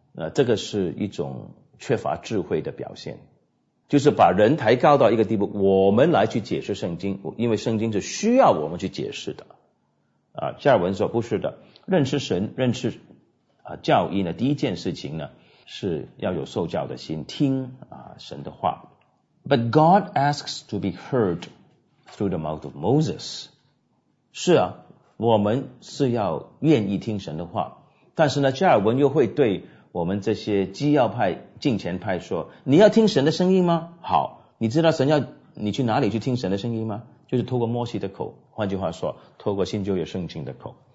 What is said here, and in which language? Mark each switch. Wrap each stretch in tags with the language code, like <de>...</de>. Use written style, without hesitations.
<zh>这个是一种缺乏智慧的表现，就是把人抬高到一个地步，我们来去解释圣经，因为圣经是需要我们去解释的。加尔文说不是的，认识神，认识教义呢，第一件事情呢是要有受教的心，听神的话。</zh> <en>But God asks to be heard through the mouth of Moses.</en> <zh>是啊，我们是要愿意听神的话，但是呢，加尔文又会对我们这些基要派、近前派说：你要听神的声音吗？好，你知道神要你去哪里去听神的声音吗？就是透过摩西的口，换句话说，透过新旧约圣经的口。</zh>